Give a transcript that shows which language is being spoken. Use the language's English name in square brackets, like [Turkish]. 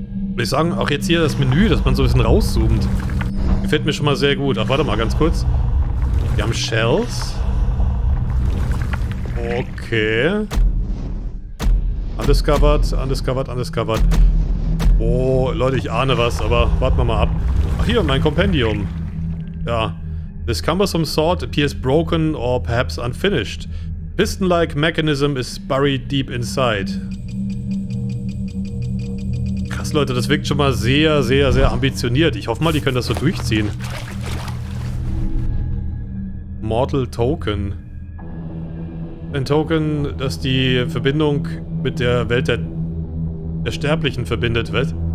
[German] Würde ich sagen, auch jetzt hier das Menü, dass man so ein bisschen rauszoomt. Gefällt mir schon mal sehr gut. Ach, warte mal ganz kurz. Wir haben Shells. [English] Okay. Undiscovered, undiscovered, undiscovered. [German] Oh, Leute, ich ahne was, aber warten wir mal ab. Ach hier, mein Kompendium. Ja. [English] This cumbersome sword appears broken or perhaps unfinished. Piston-like mechanism is buried deep inside. [German] Krass, Leute, das wirkt schon mal sehr, sehr, sehr ambitioniert. Ich hoffe mal, die können das so durchziehen. Mortal Token. Ein Token, das die Verbindung mit der Welt der Sterblichen verbindet wird.